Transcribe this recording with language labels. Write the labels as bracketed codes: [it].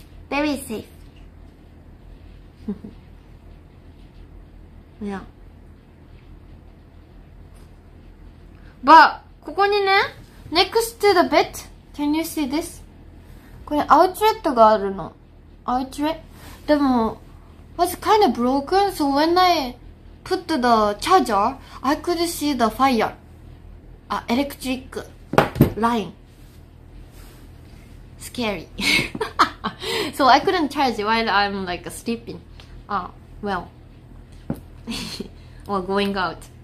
[en] Very safe. Yeah. But, [ja] ここにね、 [en] next to the bed, can you see this? [ja] これ、アウトレットがあるの。アウトレット。でも、 [en] was kind of broken, so when I put the charger, I could see the fire. [ja] あ、エレクトリックライン [en] scary so I couldn't charge while I'm like sleeping well or going out